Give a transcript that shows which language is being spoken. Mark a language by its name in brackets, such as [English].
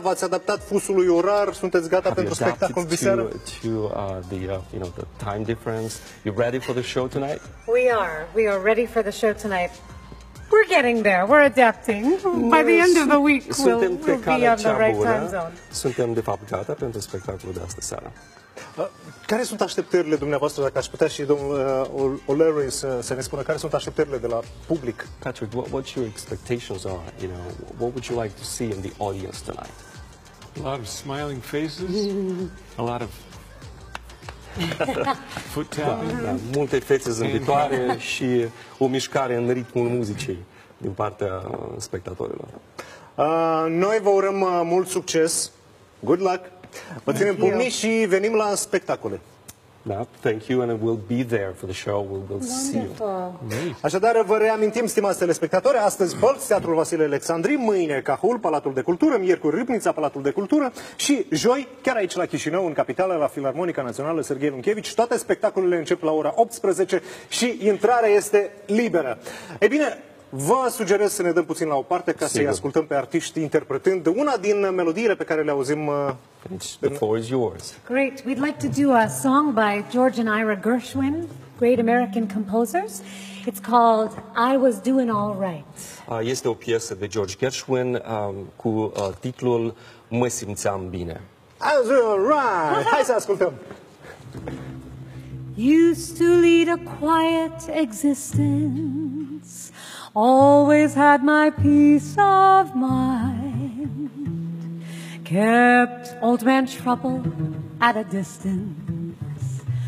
[Romanian] V-ați adaptat fusului orar? Sunteți gata pentru spectacol viseară? [English] The time difference. You ready for the show tonight? We are ready for the show tonight. We're getting there. We're adapting. By the end of the week we'll be on the right time zone. [Romanian] Suntem de fapt gata pentru spectacolul de astăzi seara. Care sunt așteptările dumneavoastră, dacă aș putea și domnul O'Leary să ne spună, care sunt așteptările de la public? [English] Patrick, what your expectations are, you know, what would you like to see in the audience tonight? A lot of smiling faces, a lot of foot tapping. [Romanian] Da, multe fețe zâmbitoare și o mișcare în ritmul muzicii din partea spectatorilor. Noi vă urăm mult succes, [English] good luck! [Romanian] Vă ținem pumnii și venim la spectacole. [English] Da, thank you, and we'll be there for the show, we'll see you. [Romanian] Așadar, vă reamintim, stimați telespectatori, astăzi Bălți, Teatrul Vasile Alexandri, mâine Cahul, Palatul de Cultură, miercuri Râbnița, Palatul de Cultură și joi, chiar aici la Chișinău, în capitală, la Filarmonica Națională Serghei Lunchevici, toate spectacolele încep la ora 18 și intrarea este liberă. Ei bine, vă sugerez să ne dăm puțin la o parte ca să-i ascultăm pe artiști interpretând una din melodiile pe care le auzim. [English] The floor is yours. Great. We'd like to do a song by George and Ira Gershwin, great American composers. It's called I Was Doing All Right. [Romanian] Este o piesă de George Gershwin cu titlul Mă simțeam bine. [English] I was doing all right. [Romanian] Hai să ascultăm. [English] Used to lead a quiet existence. Always had my peace of mind. Kept old man trouble at a distance.